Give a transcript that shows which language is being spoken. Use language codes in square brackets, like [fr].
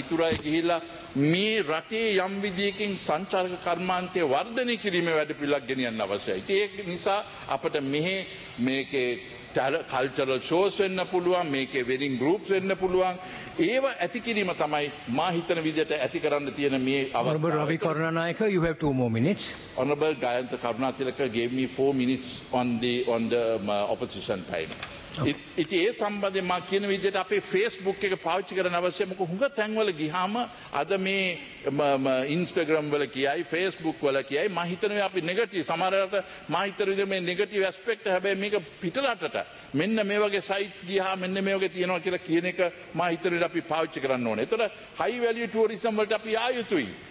[si] ඉතුරුයි ගිහිල්ලා මේ රටේ යම් විදියකින් සංචාරක කර්මාන්තයේ වර්ධනය කිරීමේ වැඩපිළිවෙළක් ගෙනියන්න අවශ්‍යයි. ඒක නිසා අපට මෙහි මේකේ [en] cultural shows [si] වෙන්න පුළුවන්, මේකේ [en] wedding groups [si] වෙන්න පුළුවන්. ඒව ඇති කිරීම තමයි මා හිතන විදිහට ඇති කරන්න තියෙන මේ අවස්ථාව. [en] Honorable Ravi Karunanayaka, you have 2 more minutes. Honorable Gayantha Karunathilaka gave me 4 minutes on the opposition time. [si] ඉතින් ඒ සම්බන්ධයෙන් මා කියන විදිහට අපේ Facebook එක පාවිච්චි කරන්න අවශ්‍ය මොකද හුඟ තැන්වල ගිහම අද මේ Instagram වල කියයි Facebook වල කියයි මා හිතනවා අපි නෙගටිව් සමහරකට මා හිතන විදිහ මේ නෙගටිව් ඇස්පෙක්ට් හැබැයි මේක පිටරටට මෙන්න මේ වගේ සයිට්ස් ගිහා මෙන්න මේ වගේ තියෙනවා කියලා කියන එක මා හිතන විදිහ අපි පාවිච්චි කරන්න ඕනේ. ඒතර [en] high value tourism [si] වලට අපි ආ යුතුයි.